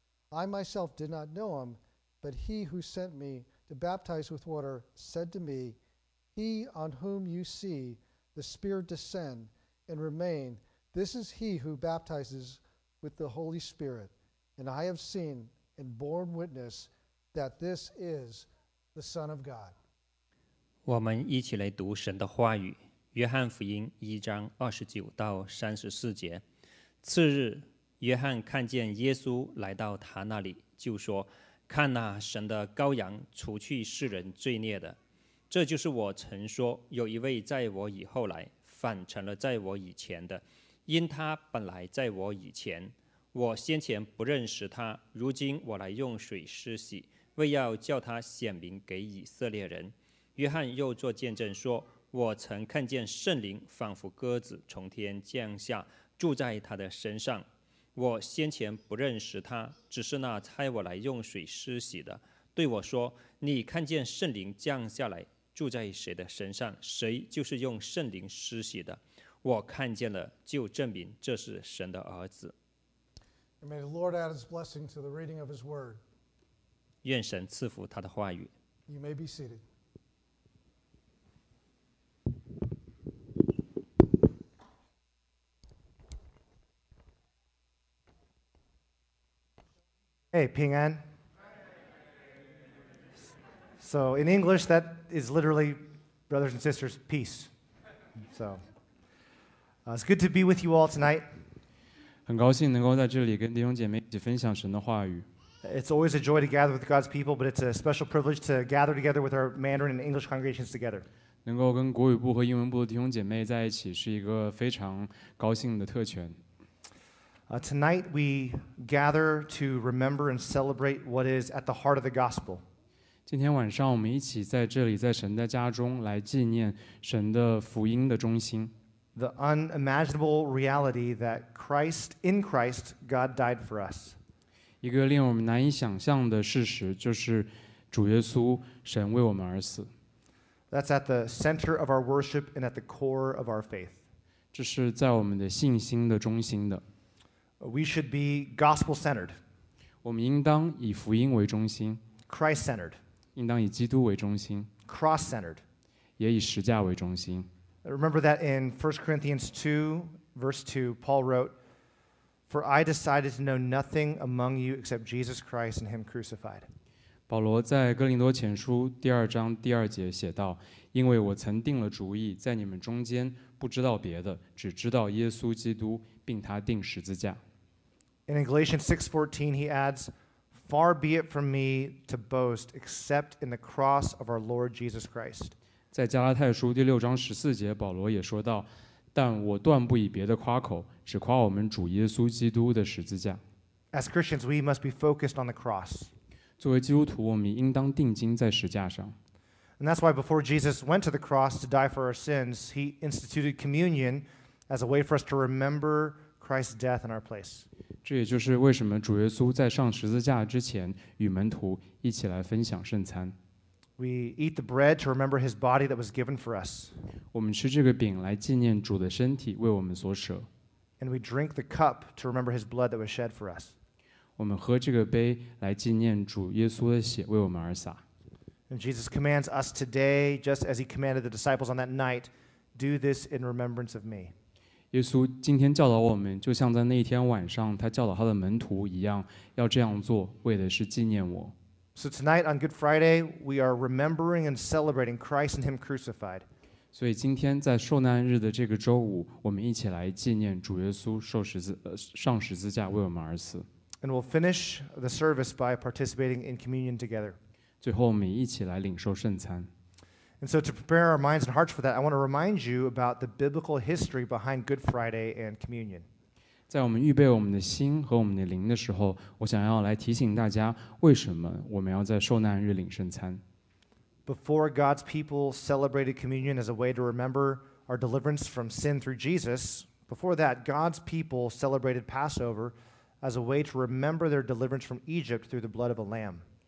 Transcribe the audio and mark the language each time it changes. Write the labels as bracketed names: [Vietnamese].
[English] I myself did not know him, but he who sent me to baptize with water said to me, he on whom you see the Spirit descend and remain, this is he who baptizes with the Holy Spirit. And I have seen and borne witness that this is the Son of God.'" [Chinese] 我们一起来读神的话语。约翰福音一章二十九到三十四节。次日，约翰看见耶稣来到他那里，就说：“看哪，神的羔羊，除去世人罪孽的。这就是我曾说，有一位在我以后来，反成了在我以前的，因他本来在我以前，我先前不认识他，如今我来用水施洗，为要叫他显明给以色列人。” 约翰又作见证说：“我曾看见圣灵仿佛鸽子从天降下，住在他的身上。我先前不认识他，只是那差我来用水施洗的对我说：‘你看见圣灵降下来，住在谁的身上，谁就是用圣灵施洗的。我看见了，就证明这是神的儿子。’” [English] And may the Lord add his blessing to the reading of his word. [Chinese] 愿神赐福他的话语。 [English] You may be seated. Hey, [Chinese] 平安。 [English] So in English, that is literally, brothers and sisters, peace. So it's good to be with you all tonight. [Chinese] 很高兴能够在这里跟弟兄姐妹一起分享神的话语。 [English] It's always a joy to gather with God's people, but it's a special privilege to gather together with our Mandarin and English congregations together. [Chinese] 能够跟国语部和英文部的弟兄姐妹在一起是一个非常高兴的特权。 [English] Tonight we gather to remember and celebrate what is at the heart of the gospel. [Chinese] 今天晚上我们一起在这里，在神的家中来纪念神的福音的中心。 [English] The unimaginable reality that Christ, in Christ, God died for us. [Chinese] 一个令我们难以想象的事实，就是主耶稣，神为我们而死。 [English] That's at the center of our worship and at the core of our faith. [Chinese] 这是在我们的信心的中心的。 [English] We should be gospel-centered. [Chinese] 我们应当以福音为中心。 [English] Christ-centered. [Chinese] 应当以基督为中心。 [English] Cross-centered. [Chinese] 也以十架为中心。 [English] Remember that in 1 Corinthians 2, verse 2, Paul wrote, For I decided to know nothing among you except Jesus Christ and Him crucified. [Chinese] 保罗在哥林多前书第二章第二节写道，因为我曾定了主意，在你们中间不知道别的，只知道耶稣基督，并他钉十字架。 [English] In Galatians 6:14, he adds, Far be it from me to boast except in the cross of our Lord Jesus Christ. [Chinese] 在加拉太书第六章十四节，保罗也说道，但我断不以别的夸口，只夸我们主耶稣基督的十字架。 [English] As Christians, we must be focused on the cross. [Chinese] 作为基督徒，我们应当定睛在十字架上。 [English] And that's why before Jesus went to the cross to die for our sins, he instituted communion as a way for us to remember Christ's death in our place. [Chinese] 这也就是为什么主耶稣在上十字架之前与门徒一起来分享圣餐。 [English] We eat the bread to remember his body that was given for us. [Chinese] 我们吃这个饼来纪念主的身体为我们所舍。 [English] And we drink the cup to remember his blood that was shed for us. [Chinese] 我们喝这个杯来纪念主耶稣的血为我们而洒。 [English] And Jesus commands us today, just as he commanded the disciples on that night, do this in remembrance of me. [Chinese] 耶稣今天教导我们，就像在那天晚上他教导他的门徒一样，要这样做，为的是纪念我。 [English] So tonight on Good Friday, we are remembering and celebrating Christ and him crucified. [Chinese] 所以今天在受难日的这个周五，我们一起来纪念主耶稣受十字上十字架为我们而死。 [English] And we'll finish the service by participating in communion together. [Chinese] 最后我们一起来领受圣餐。 [English] And so to prepare our minds and hearts for that, I want to remind you about the biblical history behind Good Friday and communion. [Chinese] 在我们预备我们的心和我们的灵的时候，我想要来提醒大家，为什么我们要在受难日领圣餐。 [English] Before God's people celebrated communion as a way to remember our deliverance from sin through Jesus, before that, God's people celebrated Passover as a way to remember their deliverance from Egypt through the blood of a lamb.